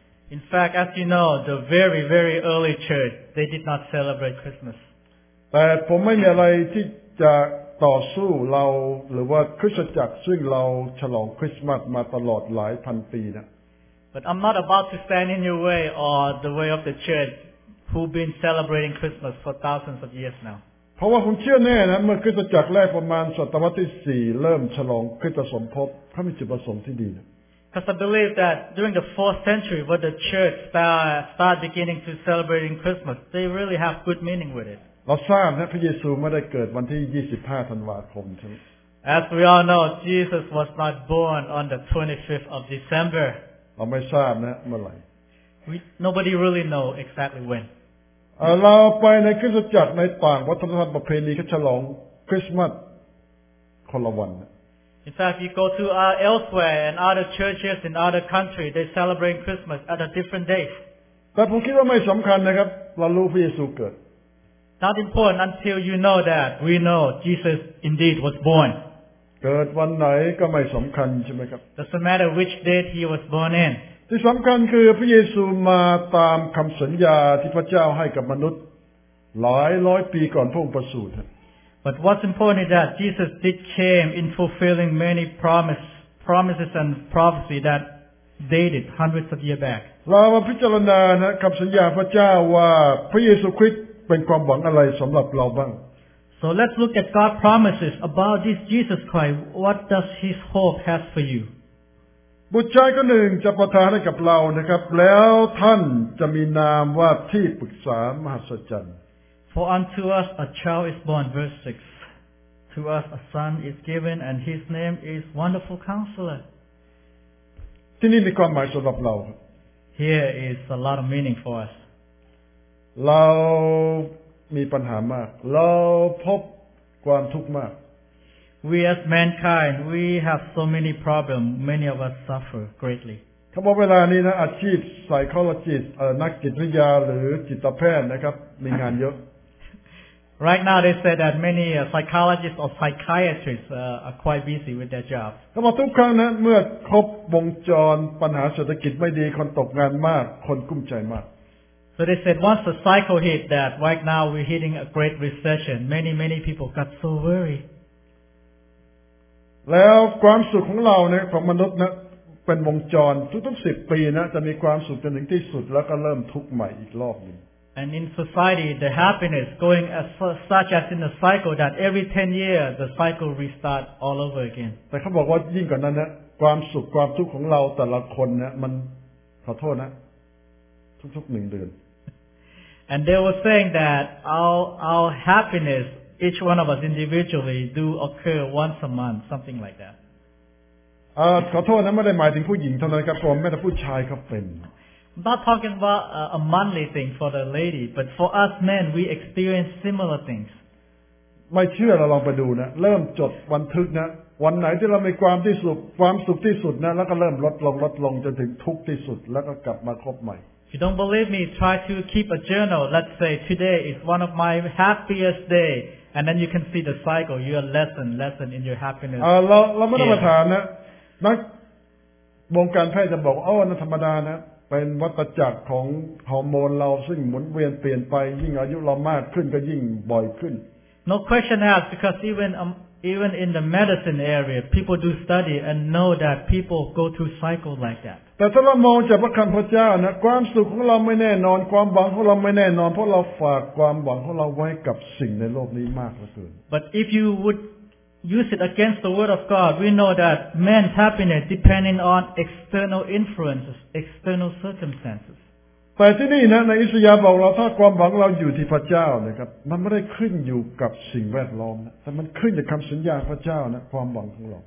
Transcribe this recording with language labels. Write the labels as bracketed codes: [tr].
[en] In fact, as you know, the very, very early church, they did not celebrate Christmas. [th] แต่ผมไม่มีอะไรที่จะต่อสู้เราหรือว่าคริสตจักรซึ่งเราฉลองคริสต์มาสมาตลอดหลายพันปีนะ [en] But I'm not about to stand in your way or the way of the church who've been celebrating Christmas for thousands of years now [th] เพราะว่าผมเชื่อแน่นะเมื่อคริสตจักรแรกประมาณศตวรรษที่4เริ่มฉลองคริสตสมภพเขามีจุดประสงค์ที่ดีนะ [en] Because I believe that during the 4th century when the church start beginning to celebrating Christmas they really have good meaning with it [th] เราทราบนะพระเยซูไม่ได้เกิดวันที่25ธันวาคมใช่ไหม [en] As we all know, Jesus was not born on the 25th of December. [th] เราไม่ทราบนะเมื่อไหร่ [en] Nobody really know exactly when. [th] เราไปในคริสตจักรในต่างวัฒนธรรมประเพณีเขาฉลองคริสต์มาสคนละวัน [en] In fact, you go to elsewhere and other churches in other countries, they celebrate Christmas at a different date. [th] แต่ผมคิดว่าไม่สำคัญนะครับเรารู้พระเยซูเกิด [en] Not important until you know that we know Jesus indeed was born. [th] เกิดวันไหนก็ไม่สำคัญใช่ไหมครับ [en] Doesn't matter which date he was born in. [th] ที่สำคัญคือพระเยซูมาตามคำสัญญาที่พระเจ้าให้กับมนุษย์หลายร้อยปีก่อนพระองค์ประสูติ [en] But what's important is that Jesus did came in fulfilling many promises and prophecy that dated hundreds of years back. [th] เรามาพิจารณานะคำสัญญาพระเจ้าว่าพระเยซูคริสต์เป็นความหวังอะไรสำหรับเราบ้าง [en] So let's look at God's promises about this Jesus Christ. What does His hope has for you? [th] บุตรชายคนหนึ่งจะประทานให้กับเรานะครับแล้วท่านจะมีนามว่าที่ปรึกษามหัศจรรย์ [en] For unto us a child is born, verse 6. To us a son is given, and His name is Wonderful Counselor. [th] ที่นี่มีความหมายสำหรับเรา [en] Here is a lot of meaning for us. [th] เรามีปัญหามากเราพบความทุกข์มาก [en] We as mankind we have so many problems many of us suffer greatly [th] ครับเวลานี้นะอาชีพ psychologist นักจิตวิทยาหรือจิตแพทย์นะครับมีงานเยอะ [en] Right now they say that many psychologists or psychiatrists are quite busy with their job [th] ครับทุกครั้งนะเมื่อครบวงจรปัญหาเศรษฐกิจไม่ดีคนตกงานมากคนกุ้มใจมาก [en] So they said once the cycle hit that right now we're hitting a great recession. Many people got so worried. [th] แล้วความสุขของเราเนี่ยของมนุษย์นะเป็นวงจรทุกๆ10ปีนะจะมีความสุขจนถึงที่สุดแล้วก็เริ่มทุกข์ใหม่อีกรอบนึง [en] And in society the happiness going as such as in the cycle that every 10 years the cycle restart all over again. [th] แต่เขาบอกว่ายิ่งกว่านั้นนะความสุขความทุกข์ของเราแต่ละคนนะมันขอโทษนะทุกๆ1เดือน [en] And they were saying that our happiness each one of us individually do occur once a month something like that [th] ขอโทษนะไม่ได้หมายถึงผู้หญิงเท่านั้นครับผมแม้แต่ผู้ชายก็เป็น [en] I'm not talking about a monthly thing for the lady but for us men we experience similar things [th] ไม่เชื่อเราลองไปดูนะเริ่มจดบันทึกนะวันไหนที่เรามีความสุขที่สุดนะแล้วก็เริ่มลดลงจนถึงทุกข์ที่สุดแล้วก็กลับมาครบใหม่ [en] If you don't believe me, try to keep a journal. Let's say today is one of my happiest day, and then you can see the cycle. You are less and less in your happiness. [th] เราไม่ต้องมาถามนะนัก วงการแพทย์จะบอกอ๋อนั่นธรรมดานะเป็นวัฏจักรของฮอร์โมนเราซึ่งหมุนเวียนเปลี่ยนไปยิ่งอายุเรามากขึ้นก็ยิ่งบ่อยขึ้น [en] No question asked because even in the medicine area people do study and know that people go through cycles like that [th] แต่ถ้าเรามองจากพระคัมภีร์เจ้านะความสุขของเราไม่แน่นอนความหวังของเราไม่แน่นอนเพราะเราฝากความหวังของเราไว้กับสิ่งในโลกนี้มากเหลือเกิน [en] But if you wouldUse it against the word of God. We know that man's happiness depending on external influences, external circumstances. [th] แต่ที่นี่นะในอิสยาห์บอกเราถ้าความหวังเราอยู่ที่พระเจ้านะครับมันไม่ได้ขึ้นอยู่กับสิ่งแวดล้อมนะแต่มันขึ้นอยู่คำสัญญาพระเจ้านะความหวังของเรา